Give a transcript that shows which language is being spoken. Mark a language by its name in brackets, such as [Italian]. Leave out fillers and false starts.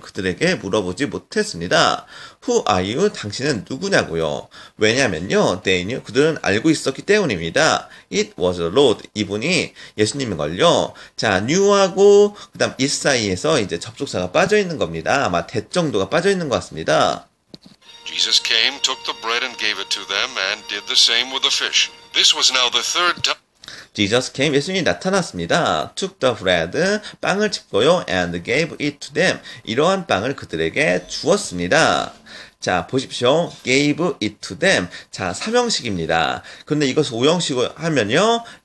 [Korean] 그들에게 물어보지 못했습니다. [English] Who are you? [Korean] 당신은 누구냐고요. 왜냐면요, [English] they knew. [Korean] 그들은 알고 있었기 때문입니다. [English] It was the Lord. [Korean] 이분이 예수님인 걸요. 자, new하고 그다음 is 사이에서 이제 접속사가 빠져 있는 겁니다. 아마 that 정도가 빠져 있는 것 같습니다. [English] Jesus came, took the bread and gave it to them, and did the same with the fish. This was now the third time. Jesus came, [Korean] 예수님이 나타났습니다. [English] Took the bread, [Korean] 빵을 집고요, [English] and gave it to them. [Korean] 이러한 빵을 그들에게 주었습니다. 자, 보십시오. [English] gave it to them. [Korean] 자, 3형식입니다. 근데 이것을 5형식으로 하면요.